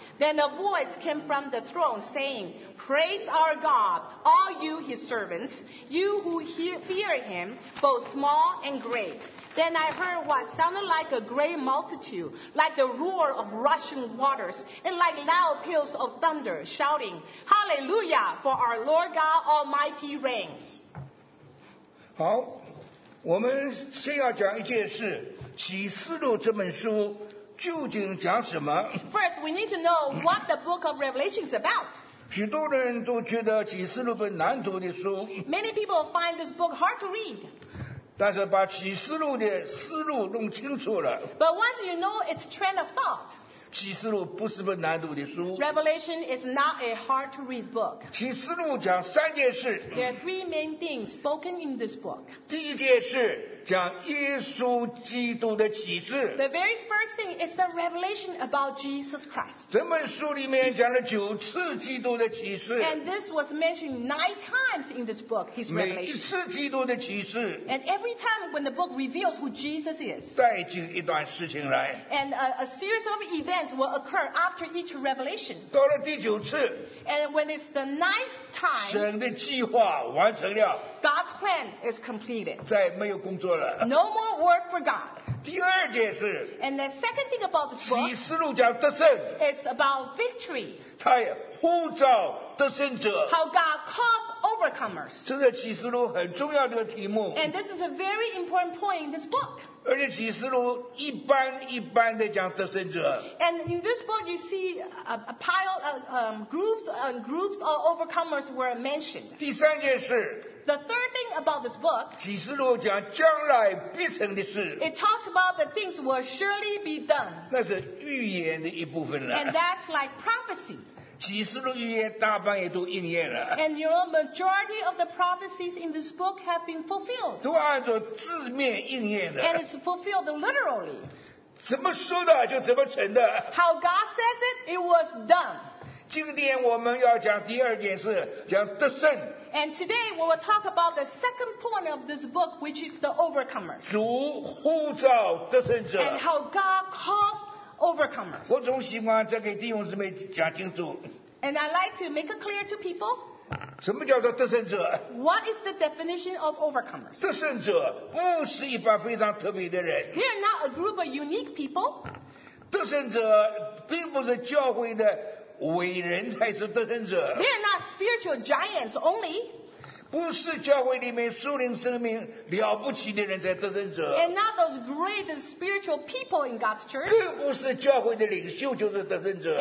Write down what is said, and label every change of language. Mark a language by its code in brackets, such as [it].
[en] Then a voice came from the throne saying, Praise our God, all you his servants, you who fear him, both small and great. Then I heard what sounded like a great multitude, like the roar of rushing waters, and like loud peals of thunder, shouting, Hallelujah, for our Lord God Almighty reigns. [zh] 好，我们先要讲一件事，启示录这本书究竟讲什么？ [en] First, we need to know what the book of Revelation is about. [zh] 许多人都觉得启示录本难读的书。 [en] Many people find this book hard to read. [zh] 但是把启示录的思路弄清楚了。 [en] But once you know its train of thought, [zh] 启示录不是本难读的书。 [en] Revelation is not a hard to read book. [zh] 启示录讲三件事。 [en] There are three main things spoken in this book. [zh] 第一件事讲耶稣基督的启示。 [en] The very first thing is the revelation about Jesus Christ. [zh] 这本书里面讲了九次基督的启示。 [en] And this was mentioned 9 times in this book, his revelation. [zh] 每一次基督的启示。 [en] And every time when the book reveals who Jesus is. [zh] 带进一段事情来。 [en] And a series of events will occur after each revelation. [zh] 到了第九次。 [en] And when it's the 9th time. [zh] 神的计划完成了。 [en] God's plan is completed. [zh] 再没有工作 [en] No more work for God. [zh] 第二件事。 [en] And the second thing about this book. [zh] 启示录讲得胜。 [en] It's about victory. [zh] 他呼召得胜者。 [en] How God calls overcomers. [zh] 这个启示录很重要的题目。 [en] And this is a very important point in this book. [zh] 而且启示录一般一般的讲得胜者。 [en] And in this book, you see a pile of groups and groups of overcomers were mentioned. [zh] 第三件事。 [en] The third thing about this book. [zh] 启示录讲将来必成的事。 [en] It talks about the things will surely be done. [zh] 那是预言的一部分了。 [en] And that's like prophecy. [zh] 启示录预言大半也都应验了。 [en] And you know, majority of the prophecies in this book have been fulfilled. [zh] 都按照字面应验的。 [en] And it's fulfilled literally. [zh] 怎么说的就怎么成的。 [en] How God says it, it was done. [zh] 今天我们要讲第二件事，讲得胜。 [en] And today we will talk about the second point of this book, which is the overcomers. [zh] 主呼召得胜者。 [en] And how God calls Overcomers. [zh] 我总喜欢再给弟兄姊妹讲清楚。 [en] And I like to make it clear to people. [zh] 什么叫做得胜者？ [en] What is the definition of overcomers? [zh] 得胜者不是一般非常特别的人。 [en] They are not a group of unique people. [zh] 得胜者并不是教会的伟人才是得胜者。 [en] They are not spiritual giants only. [zh] 不是教会里面属灵生命了不起的人才得胜者。 [en] And not those great spiritual people in God's church. [zh] 更不是教会的领袖就是得胜者。